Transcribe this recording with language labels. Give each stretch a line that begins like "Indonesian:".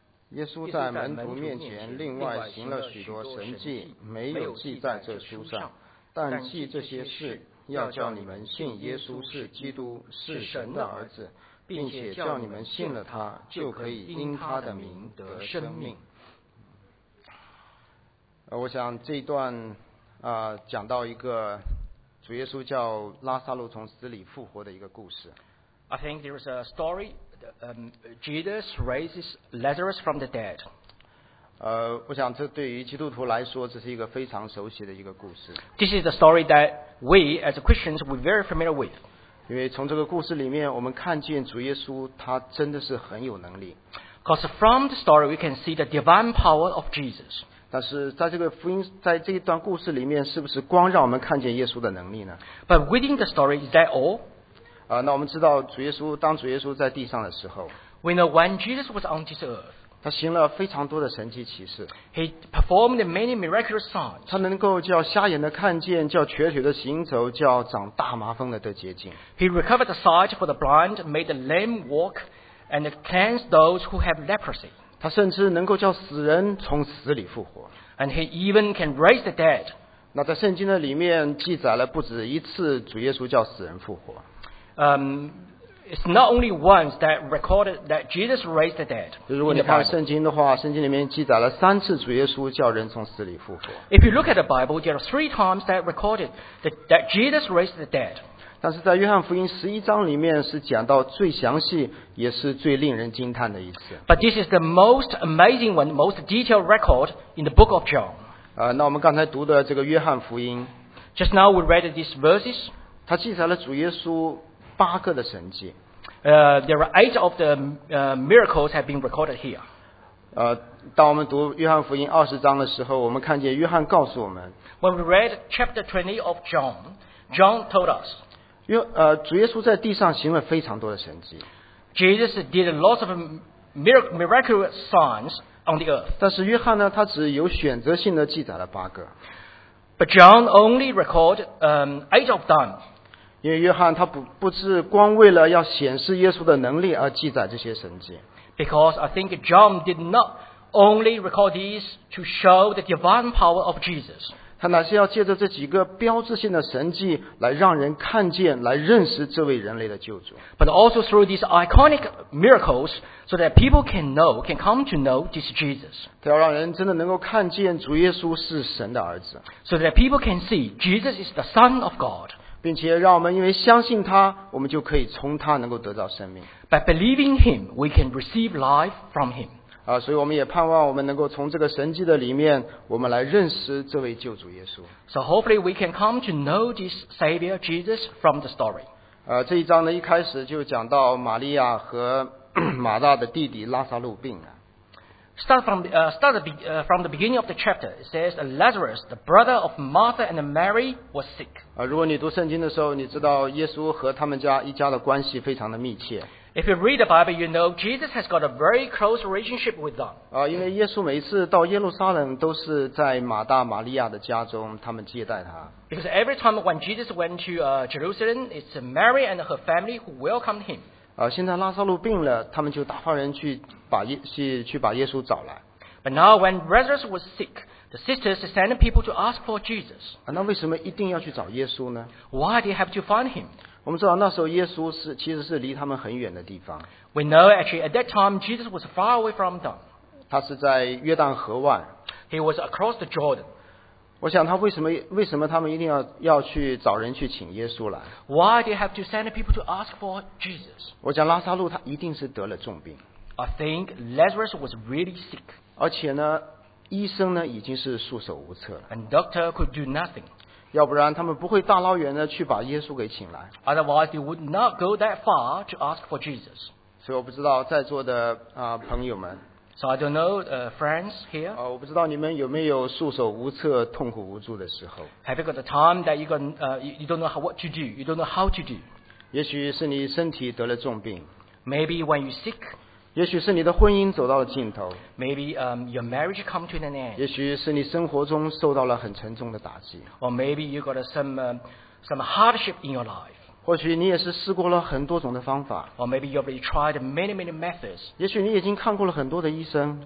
Chinese: 耶稣在门徒面前另外行了许多神迹，没有记在这书上，但记这些事，要叫你们信耶稣是基督，是神的儿子，并且叫你们信了他，就可以因他的名得生命。我想这一段讲到一个主耶稣叫拉撒路从死里复活的一个故事。
English: I think there is a story Jesus raises Lazarus from the dead.
Chinese: 我想这对于基督徒来说，这是一个非常熟悉的一个故事。
English: This is the story that we as Christians we're very familiar with.
Chinese: 因为从这个故事里面，我们看见主耶稣他真的是很有能力。
English: Because from the story we can see the divine power of Jesus.
Chinese: 但是在这个福音，在这一段故事里面，是不是光让我们看见耶稣的能力呢
English: ？But within the story, is that all?
Chinese: 那我们知道主耶稣当主耶稣在地上的时候
English: ，We know when Jesus was on this earth.
Chinese: 他行了非常多的神迹奇事。
English: He performed many miraculous signs.
Chinese: 他能够叫瞎眼的看见，叫瘸腿的行走，叫长大麻风的得洁净。
English: He recovered the sight for the blind, made the lame walk, and cleansed those who have leprosy.
Chinese: 他甚至能够叫死人从死里复活。
English: And he even can raise the dead.
Chinese: 那在圣经的里面记载了不止一次主耶稣叫死人复活。
English: It's not only once that recorded that Jesus raised the dead.
Chinese: 如果你看圣经的话，圣经里面记载了三次主耶稣叫人从死里复活。
English: If you look at the Bible, there are three times that recorded that Jesus raised the dead.
Chinese: 但是在约翰福音十一章里面是讲到最详细也是最令人惊叹的一次。
English: But this is the most amazing one, most detailed record in the book of John.
Chinese: 那我们刚才读的这个约翰福音。
English: Just now we read these verses.
Chinese: 它记载了主耶稣八个的神迹。
English: There are eight of the miracles have been recorded here.
Chinese: 当我们读约翰福音二十章的时候，我们看见约翰告诉我们。
English: When we read chapter 20 of John, John told us.
Chinese: 主耶稣在地上行了非常多的神迹。
English: Jesus did lots of miraculous signs on the earth.
Chinese: 但是约翰呢，他只有选择性的记载了八个。
English: But John only recorded eight of them.
Chinese: 因为约翰他不是光为了要显示耶稣的能力而记载这些神迹。
English: Because I think John did not only record these to show the divine power of Jesus.
Chinese: 他乃是要借着这几个标志性的神迹来让人看见来认识这位人类的救主。
English: But also through these iconic miracles so that people can know, can come to know this Jesus.
Chinese: 他要让人真的能够看见主耶稣是神的儿子。
English: So that people can see Jesus is the Son of God.
Chinese: 并且让我们因为相信他我们就可以从他能够得到生命。
English: By believing him, we can receive life from him.
Chinese: 所以我们也盼望我们能够从这个神迹的里面我们来认识这位救主耶稣。
English: So hopefully we can come to know this Savior Jesus from the story.
Chinese: 这一章呢一开始就讲到玛利亚和马大的弟弟拉撒路病了。
English: Start from the beginning of the chapter, it says Lazarus, the brother of Martha and Mary, was sick.
Chinese: 如果你读圣经的时候你知道耶稣和他们家一家的关系非常的密切。
English: If you read the Bible, you know Jesus has got a very close relationship with them.
Chinese: 因为耶稣每一次到耶路撒冷都是在马大、玛利亚的家中，他们接待他。
English: Because every time when Jesus went to Jerusalem, it's Mary and her family who welcomed him.
Chinese: 现在拉撒路病了，他们就打发人去把耶稣找来。
English: But now when Lazarus was sick, the sisters sent people to ask for Jesus.
Chinese: 那为什么一定要去找耶稣呢
English: ？Why do you have to find him?
Chinese: 我们知道那时候耶稣是其实是离他们很远的地方。
English: We know actually at that time Jesus was far away from them.
Chinese: 他是在约旦河外。
English: He was across the Jordan.
Chinese: 我想他为什么他们一定要去找人去请耶稣来
English: ？Why do you have to send people to ask for Jesus?
Chinese: 我想拉撒路他一定是得了重病。
English: I think Lazarus was really sick.
Chinese: 而且呢，医生呢已经是束手无策了。
English: And doctor could do nothing.
Chinese: 要不然他们不会大老远的去把耶稣给请来。
English: Otherwise, they would not go that far to ask for Jesus.
Chinese: 所以我不知道在座的朋友们。
English: So I don't know friends here.
Chinese: 我不知道你们有没有束手无策、痛苦无助的时候。
English: Have you got the time that you don't know what to do? You don't know how to do?
Chinese: 也许是你身体得了重病。
English: Maybe when you sick.
Chinese: 也许是你的婚姻走到了尽头。
English: Maybe your marriage come to an end.
Chinese: 也许是你生活中受到了很沉重的打击。
English: Or maybe you got some hardship in your life.
Chinese: 或许你也是试过了很多种的方法。
English: Or maybe you've tried many methods.
Chinese: 也许你已经看过了很多的医生。